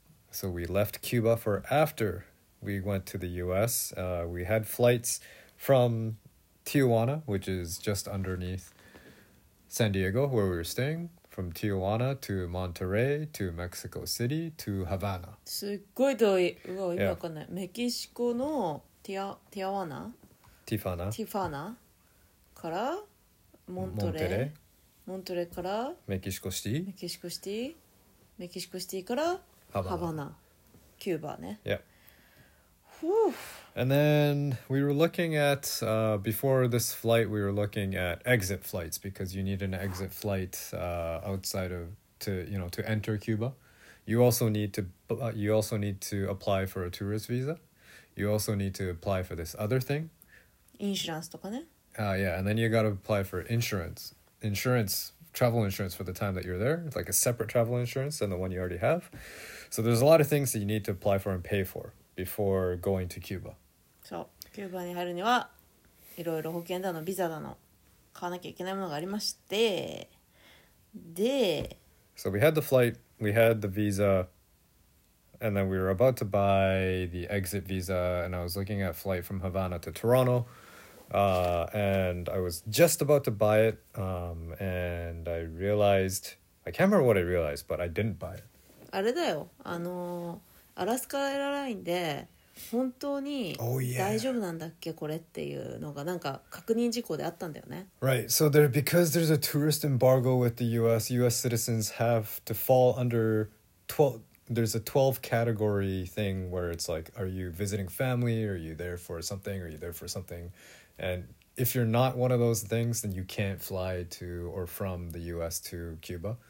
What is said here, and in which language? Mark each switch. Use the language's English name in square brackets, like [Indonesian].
[English] So we left Cuba for after we went to the U.S. We had flights from Tijuana, which is just underneath San Diego, where we were staying, from Tijuana to Monterrey to Mexico City to Havana. [Japanese] すっごい遠い。うわ、今わかんない。メキシコのティアワナ? ティファナ。ティファナからモントレからメキシコシティからハバナキューバね。 [English] Yeah. Whew. And then we were looking at before this flight we were looking at exit flights because you need an exit flight outside of to enter Cuba. You also need to apply for a tourist visa. You also need to apply for this other thing. [Japanese] Insurance とかね。 [English] Yeah, and then you gotta apply for insurance, travel insurance for the time that you're there. It's like a separate travel insurance than the one you already have. So there's a lot of things that you need to apply for and pay for before going to Cuba. [Japanese] So, Cuba に入るには、いろいろ保険だの、ビザだの、買わなきゃいけないものがありまして、で、 [English] So we had the flight, we had the visa, and then we were about to buy the exit visa, and I was looking at flight from Havana to Toronto. And I was just about to buy it, and I realized, I can't remember what I realized, but I didn't buy it. [Japanese] あれだよ、アラスカエアラインで本当に大丈夫なんだっけこれっていうのがなんか確認事項であったんだよね。 [English] Right, so there, because there's a tourist embargo with the US, US citizens have to fall under 12, there's a 12 category thing where it's like, are you visiting family? Are you there for something? Are you there for something? And if you're not one of those things, then you can't fly to or from the US to Cuba.